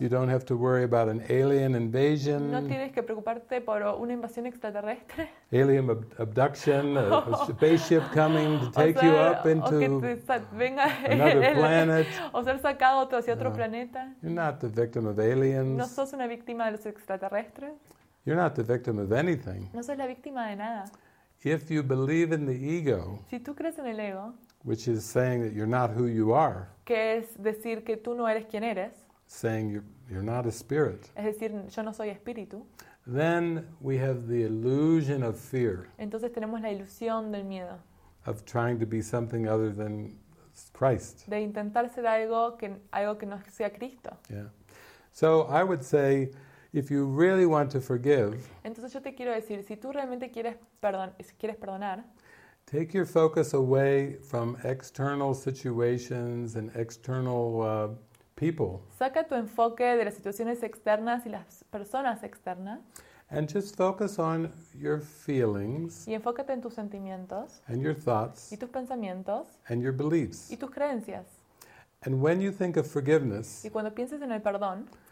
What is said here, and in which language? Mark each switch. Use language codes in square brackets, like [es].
[en] You don't have to worry about an alien invasion. [es] No tienes que preocuparte por una invasión extraterrestre. [en] Alien abduction, a spaceship coming to take you up into another planet. [es] O ser sacado hacia otro planeta. [en] You're not the victim of aliens. [es] No sos una víctima de los extraterrestres. [en] You're not the victim of anything. [es] No sos la víctima de nada. [en] If you believe in the ego, [es] si tú crees en el ego, [en] which is saying that you're not who you are, [es] que es decir que tú no eres quien eres, [en] saying you're not a spirit, [es] es decir, yo no soy espíritu, [en] then we have the illusion of fear. [es] Entonces tenemos la ilusión del miedo. [en] Of trying to be something other than Christ. [es] De intentar ser algo que no sea Cristo. Yeah. [en] So I would say, if you really want to forgive, [es] entonces yo te quiero decir, si tú realmente quieres perdonar, [en] take your focus away from external situations and external people. [es] Saca tu enfoque de las situaciones externas y las personas externas. [en] And just focus on your feelings. [es] Y enfócate en tus sentimientos. [en] And your thoughts. [es] Y tus pensamientos. [en] And your beliefs. [es] Y tus creencias. [en] And when you think of forgiveness, [es] y cuando pienses en el perdón,